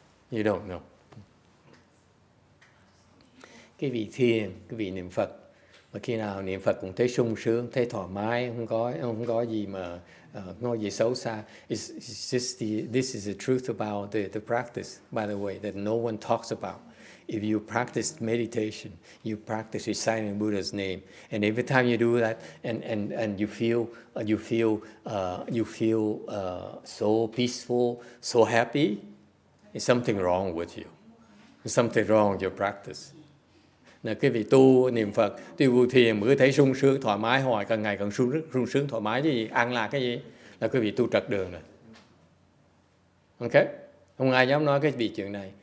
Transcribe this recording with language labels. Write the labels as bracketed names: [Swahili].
[English] You don't know. [Vietnamese] Cái vị thiền, cái vị niệm Phật, mà khi nào niệm Phật cũng thấy sung sướng, thấy thoải mái, không có gì mà nói gì xấu xa. [English] It's just this is the truth about the practice, by the way, that no one talks about. If you practice meditation, you practice reciting Buddha's name, and every time you do that, and you feel so peaceful, so happy, there's something wrong with you. There's something wrong with your practice. [Vietnamese] Là cái vị tu niệm Phật, tu vô thiền, mới thấy sung sướng, thoải mái, hỏi càng ngày càng sung sướng, thoải mái cái gì, an lạc cái gì, là cái vị tu trật đường rồi. Ok? Không ai dám nói cái vị chuyện này.